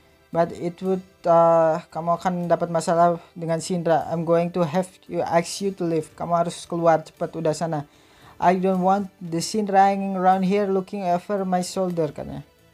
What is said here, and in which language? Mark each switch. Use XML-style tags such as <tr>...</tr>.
<en>But it would,</en> <id>kamu akan dapat masalah dengan Shinra.</id> <en>I'm going to have to ask you to leave.</en> <id>Kamu harus keluar cepat, udah sana.</id> <en>I don't want the Shinra hanging around here looking over my shoulder, katanya.</en>